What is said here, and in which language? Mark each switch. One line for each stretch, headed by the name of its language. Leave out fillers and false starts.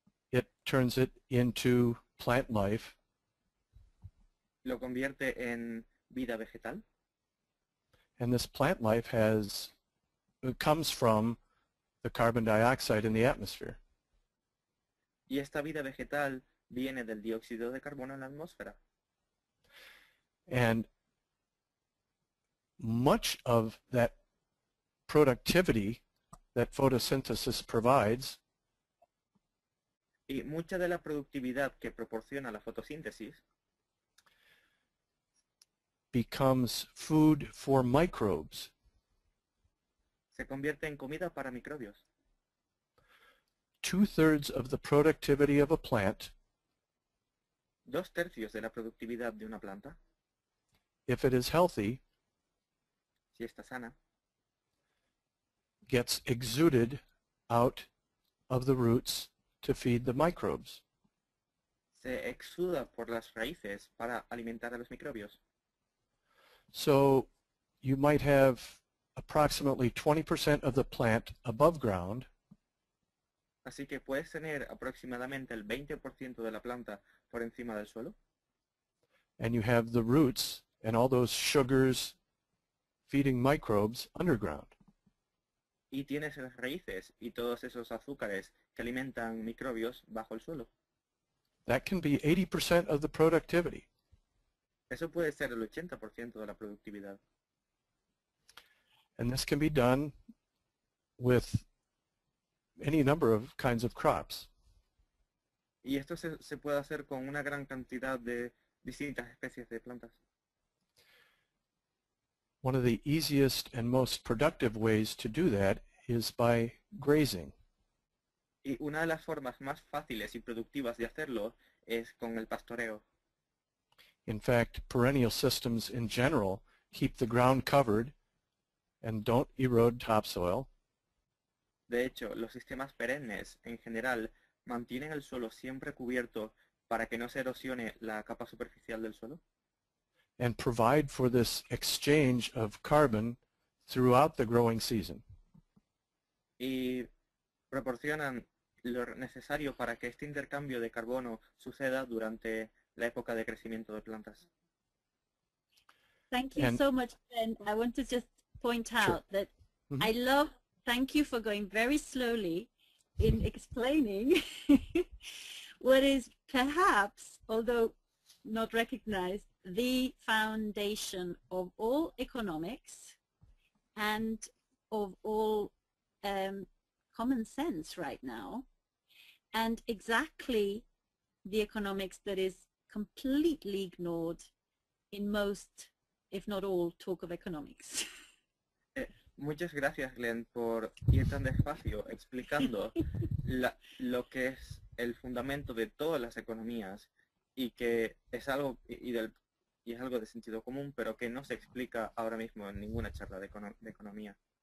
English: it turns it into plant life.
Spanish: Lo convierte en vida vegetal.
English: And this plant life comes from the carbon dioxide in the atmosphere.
Spanish: Y esta vida vegetal viene del dióxido de carbono en la atmósfera.
English: And much of that productivity that photosynthesis provides,
Spanish: y mucha de la productividad que proporciona la fotosíntesis,
English: becomes food for microbes.
Spanish: Se convierte en comida para microbios.
English: 2/3 of the productivity of a plant,
Spanish: 2/3 de la productividad de una planta,
English: if it is healthy,
Spanish: si está sana,
English: gets exuded out of the roots to feed the microbes.
Spanish: Se exuda por las raíces para alimentar a los microbios.
English: So you might have approximately 20% of the plant above ground.
Spanish: Así que puedes tener aproximadamente el 20% de la planta por encima del suelo.
English: And you have the roots and all those sugars feeding microbes underground.
Spanish: Y tienes las raíces y todos esos azúcares que alimentan microbios bajo el suelo.
English: That can be 80% of the productivity.
Spanish: Eso puede ser el 80% de la productividad.
English: And this can be done with any number of kinds of crops.
Spanish: Y esto se puede hacer con una gran cantidad de distintas especies de plantas.
English: One of the easiest and most productive ways to do that is by grazing.
Spanish: Y una de las formas más fáciles y productivas de hacerlo es con el pastoreo.
English: In fact, perennial systems in general keep the ground covered and don't erode topsoil.
Spanish: De hecho, los sistemas perennes en general mantienen el suelo siempre cubierto para que no se erosione la capa superficial del suelo.
English: And provide for this exchange of carbon throughout the growing season.
Spanish: Y proporcionan lo necesario para que este intercambio de carbono suceda durante la época de crecimiento de plantas.
English: Thank you so much, Ben. I want to just point out that I love, thank you for going very slowly in explaining what is perhaps, although not recognized, the foundation of all economics and of all common sense right now, and exactly the economics that is completely ignored in most, if not all, talk of economics.
Spanish: Muchas gracias, Glenn, por ir tan despacio explicando lo que es el fundamento de todas las economías y que es algo y es algo de sentido común, pero que no se explica ahora mismo en ninguna charla de economía.